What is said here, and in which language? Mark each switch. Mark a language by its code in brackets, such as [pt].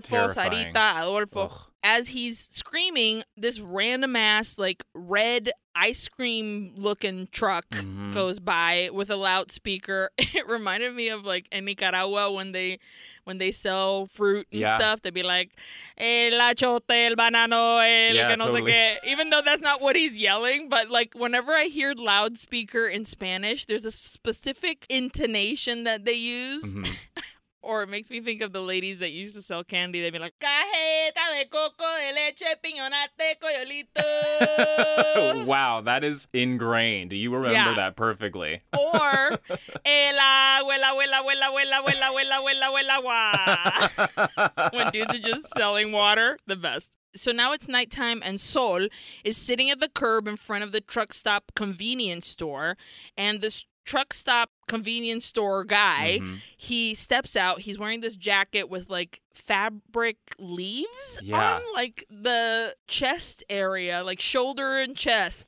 [en] terrifying. Sarita, Adolfo. Ugh. As he's screaming, this random ass, like, red ice cream looking truck goes by with a loudspeaker. It reminded me of, like, in Nicaragua when they sell fruit and stuff. [es] They'd be like, el achote, el banano, el que no sé qué. [en] Even though that's not what he's yelling. But, like, whenever I hear loudspeaker in Spanish, there's a specific intonation that they use. Mm-hmm. Or it makes me think of the ladies that used to sell candy. [es] They'd be like, cajeta de coco, de leche, piñonate, coyolito. [en] Wow, that is ingrained. You remember that perfectly. [es] Or, el agua, el agua, el agua, el agua, el agua, el agua, el agua, el agua, el agua. [en] When dudes are just selling water, the best. So now it's nighttime and Sol is sitting at the curb in front of the truck stop convenience store. And the truck stop convenience store guy, he steps out. He's wearing this jacket with like fabric leaves on like the chest area, like shoulder and chest.